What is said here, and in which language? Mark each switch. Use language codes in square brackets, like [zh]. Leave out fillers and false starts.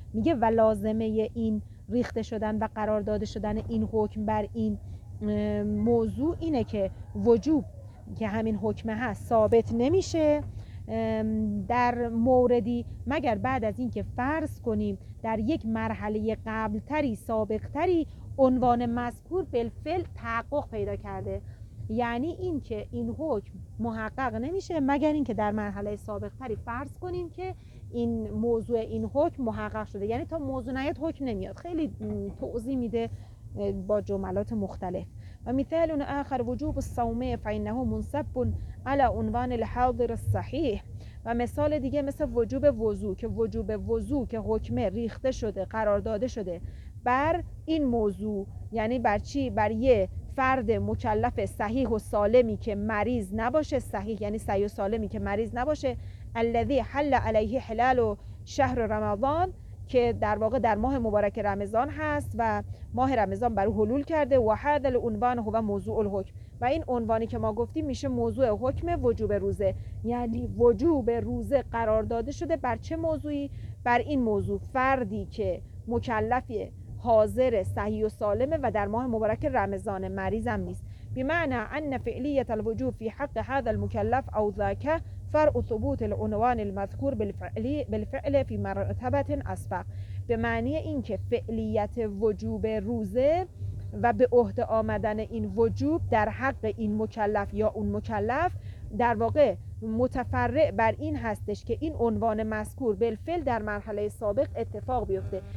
[fa] میگه و لازمه این ریخته شدن و قرار داده شدن این حکم بر این موضوع اینه که وجوب که همین حکم هست ثابت نمیشه در موردی مگر بعد از اینکه فرض کنیم در یک مرحله قبلتری سابقتری عنوان مذکور بالفعل تحقق پیدا کرده. یعنی اینکه این حکم محقق نمیشه مگر اینکه در مرحله سابقتری فرض کنیم که این موضوع این حکم محقق شده. یعنی تا موضوع نیاد حکم نمیاد. خیلی توضیح میده با جملات مختلف. [ar] و مثال آخر وجوب الصومه فإنه منصب على عنوان الحاضر الصحيح. [fa] و مثال دیگه مثل وجوب وضوء که حکم ریخته شده، قرار داده شده بر این موضوع، یعنی بر چی؟ بر یه فرد مکلف صحیح و سالمی که مریض نباشه. صحیح یعنی صحیح و سالمی که مریض نباشه. [ar] الذي حل عليه حلال و شهر رمضان، [fa] که در واقع در ماه مبارک رمضان هست و ماه رمضان بر او حلول کرده. [ar] و هذا العنوان هو موضوع الحکم، [fa] و این عنوانی که ما گفتیم میشه موضوع حکم وجوب روزه. یعنی وجوب روزه قرار داده شده بر چه موضوعی؟ بر این موضوع، فردی که مکلفه، حاضر، صحیح و سالمه و در ماه مبارک رمضان، مریضم نیست. [ar] بمعنى ان فعلیت الوجوب في حق هذا المكلف او ذاکه فرع ثبوت العنوان المذكور بالفعل في مرتبه اسبق. [fa] به معنی اینکه فعلیت وجوب روزه و به عهده آمدن این وجوب در حق این مکلف یا اون مکلف در واقع متفرع بر این هستش که این عنوان مذکور بالفعل در مرحله سابق اتفاق بیفته.